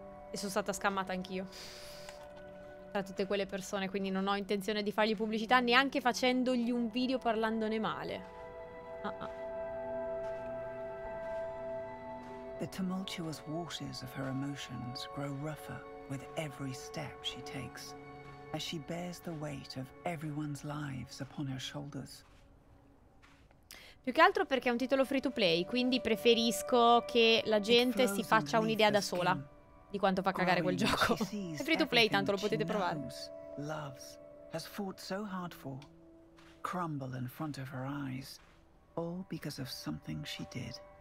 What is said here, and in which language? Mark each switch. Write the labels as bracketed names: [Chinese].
[Italian] E sono stata scammata anch'io. tra tutte quelle persone, quindi non ho intenzione di fargli pubblicità neanche facendogli un video parlandone male. [English] The tumultuous waters of her emotions grow rougher with every step she takes, as she bears the weight of everyone's lives upon her shoulders. [Italian] Più che altro perché è un titolo free to play, quindi preferisco che la gente si faccia un'idea da sola di quanto fa cagare quel gioco. È free to play, tanto lo potete provare. [English] Loves has fought so hard for crumble in front of her eyes, all because of something she did.